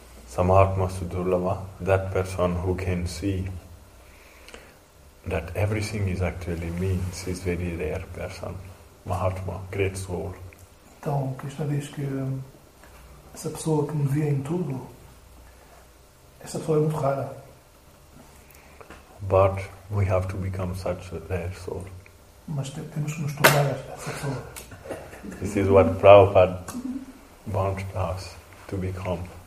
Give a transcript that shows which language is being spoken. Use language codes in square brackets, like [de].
[sa] Samahatma Sudurlava, [en] that person who can see that everything is actually me, is very rare person. Mahatma, great soul. [pt] Então Krishna diz que essa pessoa que me vê em tudo, essa pessoa é muito rara. [en] But we have to become such a rare soul. [pt] Mas temos que nos tornar essa pessoa. [en] This is what Prabhupada wanted us to become.